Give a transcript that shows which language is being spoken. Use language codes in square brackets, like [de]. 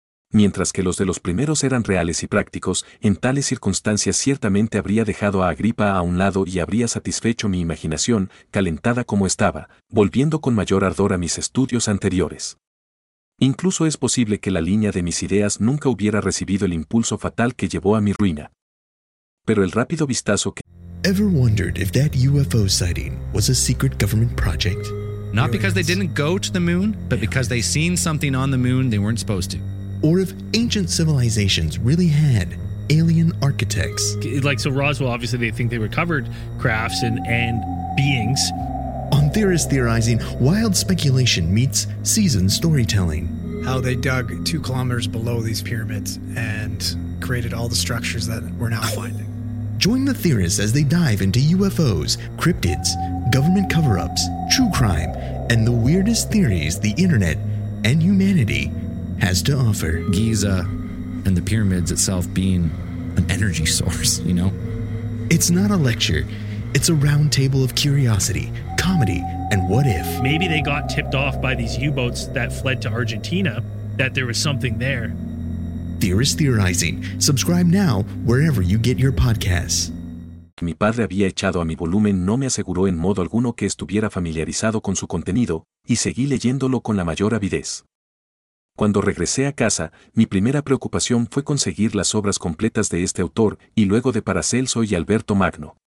[es] Mientras que los de los primeros eran reales y prácticos, en tales circunstancias ciertamente habría dejado a Agripa a un lado y habría satisfecho mi imaginación, calentada como estaba, volviendo con mayor ardor a mis estudios anteriores. Incluso es posible que la línea de mis ideas nunca hubiera recibido el impulso fatal que llevó a mi ruina. Pero el rápido vistazo que... [en] Ever wondered if that UFO sighting was a secret government project? Not because they didn't go to the moon, but because they seen something on the moon they weren't supposed to. Or if ancient civilizations really had alien architects. Like, so Roswell, obviously they think they recovered crafts and beings. On Theorist Theorizing, wild speculation meets seasoned storytelling. How they dug 2 kilometers below these pyramids and created all the structures that we're now finding. Join the theorists as they dive into UFOs, cryptids, government cover-ups, true crime, and the weirdest theories the internet and humanity has to offer. Giza and the pyramids itself being an energy source, you know? It's not a lecture. It's a round table of curiosity, comedy, and what if. Maybe they got tipped off by these U-boats that fled to Argentina, that there was something there. Theorist Theorizing. Subscribe now wherever you get your podcasts. [es] Mi padre había echado a mi volumen no me aseguró en modo alguno que estuviera familiarizado con su contenido, y seguí leyéndolo con la mayor avidez. Cuando regresé a casa, mi primera preocupación fue conseguir las obras completas de este autor y luego de Paracelso y Alberto Magno.